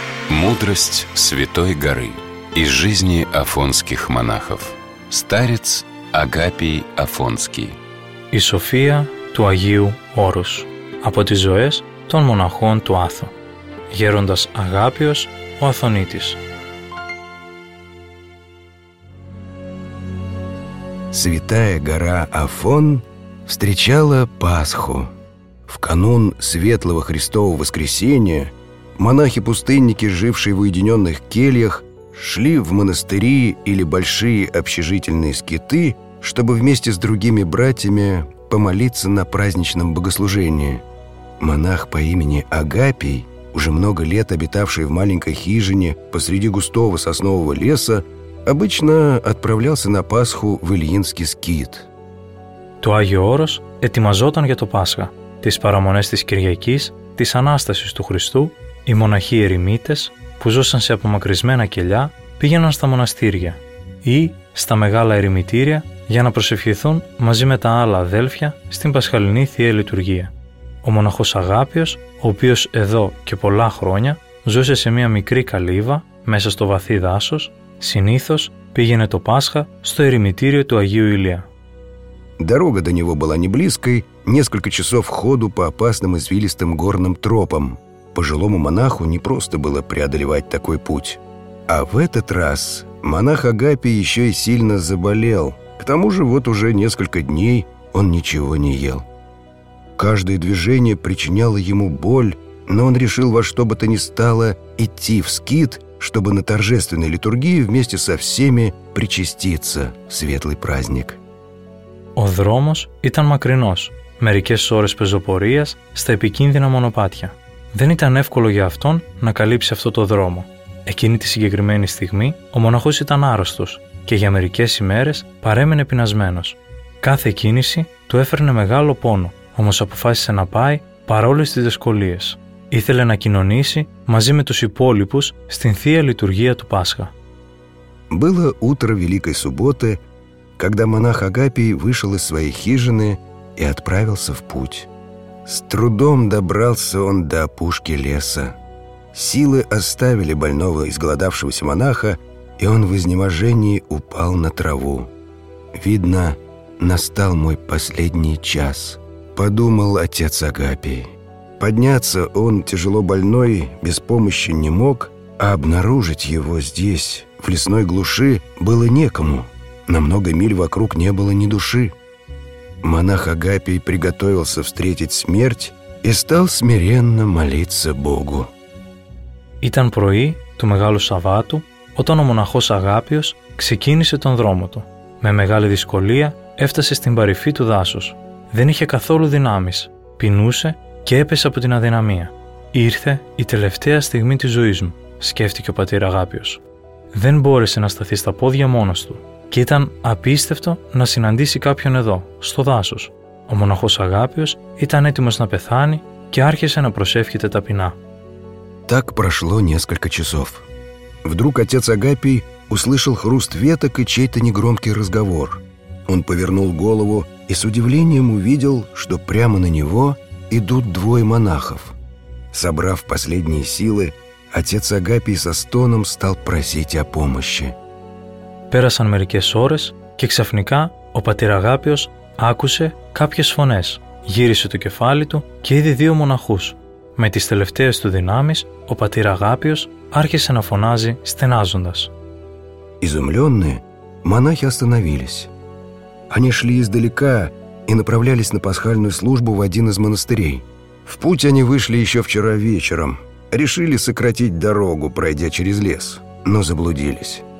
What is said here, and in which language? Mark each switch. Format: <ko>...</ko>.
<ru>Мудрость Святой Горы из жизни афонских монахов. Старец Агапий Афонский.</ru> <el>И София του Агиу Орус. Από τις ζωές των μοναχών του Άθο. Γέροντας Αγάπιος ο Αθωνίτης.</el> <ru>Святая гора Афон встречала Пасху. В канун Светлого Христового Воскресения монахи-пустынники, жившие в уединенных кельях, шли в монастыри или большие общежительные скиты, чтобы вместе с другими братьями помолиться на праздничном богослужении. Монах по имени Агапий, уже много лет обитавший в маленькой хижине посреди густого соснового леса, обычно отправлялся на Пасху в Ильинский скит.</ru> <el>Το Άγιο Όρος ετοιμαζόταν για το Πάσχα, τις παραμονές της Κυριακής, της Ανάστασης του Χριστού, οι μοναχοί ερημίτες που ζούσαν σε απομακρυσμένα κελιά πήγαιναν στα μοναστήρια ή στα μεγάλα ερημητήρια για να προσευχηθούν μαζί με τα άλλα αδέλφια στην Πασχαλινή Θεία Λειτουργία. Ο μοναχός Αγάπιος, ο οποίος εδώ και πολλά χρόνια ζούσε σε μια μικρή καλύβα μέσα στο βαθύ δάσος, συνήθως πήγαινε το Πάσχα στο ερημητήριο του Αγίου Ηλία.</el> <ru>Дорога до него была не близкой, несколько часов ходу по опасным извилистым горным тропам. Пожилому монаху непросто было преодолевать такой путь. А в этот раз монах Агапий еще и сильно заболел. К тому же вот уже несколько дней он ничего не ел. Каждое движение причиняло ему боль, но он решил во что бы то ни стало идти в скит, чтобы на торжественной литургии вместе со всеми причаститься в светлый праздник.</ru> <el>Ο δρόμος ήταν μακρινός, μερικές ώρες πεζοπορίας στα επικίνδυνα μονοπάτια. Δεν ήταν εύκολο για αυτόν να καλύψει αυτό το δρόμο. Εκείνη τη συγκεκριμένη στιγμή ο μοναχός ήταν άρρωστος και για μερικές ημέρες παρέμενε πεινασμένος. Κάθε κίνηση του έφερνε μεγάλο πόνο, όμως αποφάσισε να πάει παρόλες τις δυσκολίες. Ήθελε να κοινωνήσει μαζί με τους υπόλοιπους στην Θεία Λειτουργία του Πάσχα.</el> <ru>Было утро Великой субботы, когда монах Агапий вышел из своей хижины и отправился в путь. С трудом добрался он до опушки леса. Силы оставили больного изголодавшегося монаха, и он в изнеможении упал на траву. «Видно, настал мой последний час», — подумал отец Агапий. Подняться он, тяжело больной, без помощи не мог, а обнаружить его здесь, в лесной глуши, было некому. На много миль вокруг не было ни души. Монах Агапий приготовился встретить смерть и стал смиренно молиться Богу.</ru> <el>Ήταν πρωί του Μεγάλου Σαββάτου, όταν ο μοναχός Αγάπιος ξεκίνησε τον δρόμο του. Με μεγάλη δυσκολία έφτασε στην παρυφή του δάσους. Δεν είχε καθόλου δυνάμεις, πεινούσε και έπεσε από την αδυναμία. «Ήρθε η τελευταία στιγμή της ζωής μου», σκέφτηκε ο πατήρ Αγάπιος. Δεν μπόρεσε να σταθεί στα πόδια μόνος του. Και ήταν απίστευτο να συναντήσει κάποιον εδώ, στο δάσος. Ο μοναχός Αγάπιος ήταν έτοιμος να πεθάνει και άρχισε να προσεύχεται ταπεινά.</el> <ru>Так прошло несколько часов. Вдруг отец Агапий услышал хруст веток и чей-то негромкий разговор. Он повернул голову и с удивлением увидел, что прямо на него идут двое монахов. Собрав последние силы, отец Агапий со стоном стал просить о помощи.</ru> <el>Πέρασαν μερικές ώρες και ξαφνικά ο πατήρ Αγάπιος άκουσε κάποιες φωνές. Γύρισε το κεφάλι του και είδε δύο μοναχούς. Με τις τελευταίες του δυνάμεις, ο πατήρ Αγάπιος άρχισε να φωνάζει στενάζοντας.</el> <ru>Изумленные монахи остановились. Они шли издалека и направлялись на пасхальную службу в один из монастырей. В путь они вышли еще вчера вечером. Решили сократить дорогу, пройдя через лес, но заблудились.</ru>